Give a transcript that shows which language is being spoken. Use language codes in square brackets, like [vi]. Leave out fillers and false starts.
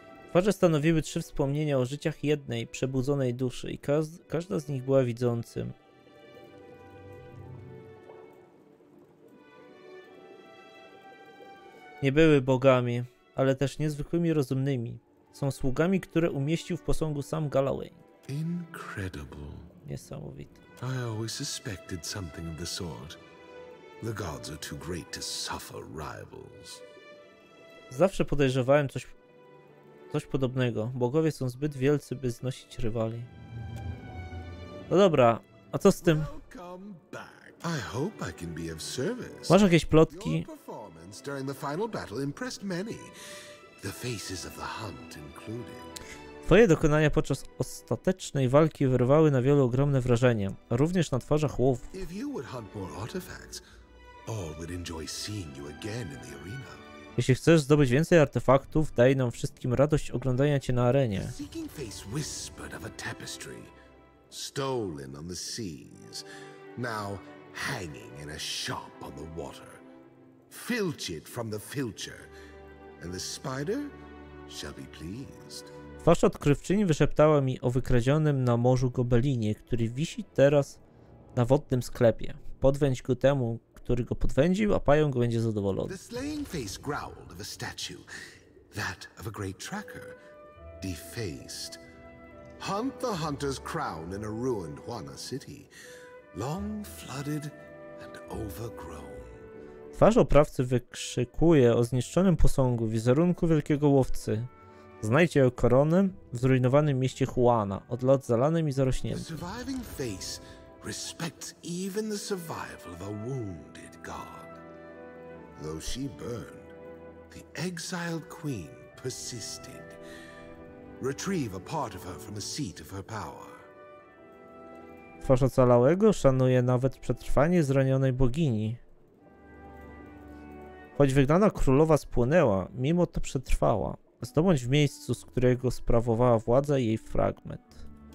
[pl] Twarze stanowiły trzy wspomnienia o życiach jednej przebudzonej duszy i każda z nich była widzącym. Nie były bogami, ale też niezwykłymi rozumnymi. Są sługami, które umieścił w posągu sam Galloway. [en] Incredible. [pl] Niesamowite. [en] I always suspected something of the sort. The gods are too great to suffer rivals. [pl] Zawsze podejrzewałem coś podobnego. Bogowie są zbyt wielcy, by znosić rywali. No dobra, a co z tym? [en] Welcome back. I hope I can be of service. [pl] Masz jakieś plotki? [en] Your performance during the final battle impressed many. The faces of the hunt included. [pl] Twoje dokonania podczas ostatecznej walki wyrwały na wielu ogromne wrażenie, również na twarzach łowów. [en] If you would hunt more artifacts, all would enjoy seeing you again in the arena. [pl] Jeśli chcesz zdobyć więcej artefaktów, daj nam wszystkim radość oglądania cię na arenie. [en] The seeking face whispered of a tapestry stolen on the seas. Now hanging in a shop on the water, filch it from the filcher, and the spider shall be pleased. [pl] Twarz odkrywczyni wyszeptała mi o wykradzionym na morzu gobelinie, który wisi teraz na wodnym sklepie. Podwędź go temu, który go podwędził, a pająk będzie zadowolony. [en] The slaying face growled of a statue, that of a great tracker, defaced. Hunt the hunter's crown in a ruined Juana city. Long flooded and overgrown. [pl] Twarz oprawcy wykrzykuje o zniszczonym posągu wizerunku wielkiego łowcy. Znajdź jego koronę w zrujnowanym mieście Juana, od lat zalanym i zarośniętym. [en] The surviving face respects even the survival of a wounded god. Though she burned, the exiled queen persisted. Retrieve a part of her from a seat of her power. [pl] Twarz ocalałego szanuje nawet przetrwanie zranionej bogini. Choć wygnana królowa spłynęła, mimo to przetrwała. Zdobądź w miejscu, z którego sprawowała władzę jej fragment.